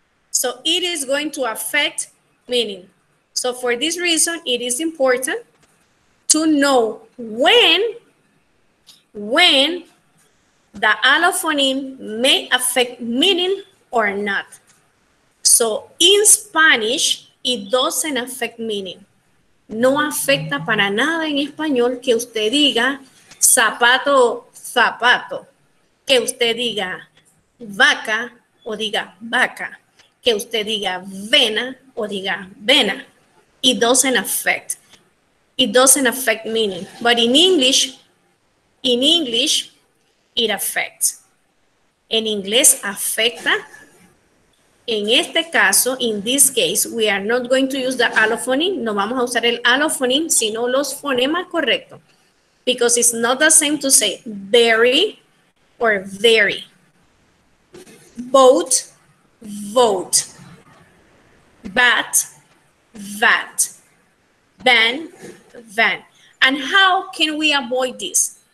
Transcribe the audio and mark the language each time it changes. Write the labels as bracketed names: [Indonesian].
[English] So it is going to affect meaning. So for this reason, it is important to know when the allophoneme may affect meaning or not. So in Spanish, it doesn't affect meaning. [Spanish] No afecta para nada en español que usted diga zapato zapato. Que usted diga vaca o diga vaca. Que usted diga vena o diga vena. [English] It doesn't affect. It doesn't affect meaning. But in English, it affects. [Spanish] En inglés afecta. En este caso, [English] in this case, we are not going to use the allophoning. [Spanish] No vamos a usar el allophoning, sino los fonemas correctos. [English] Because it's not the same to say very or very. Boat, vote. Bat, vat. Van, van. And how can we avoid this?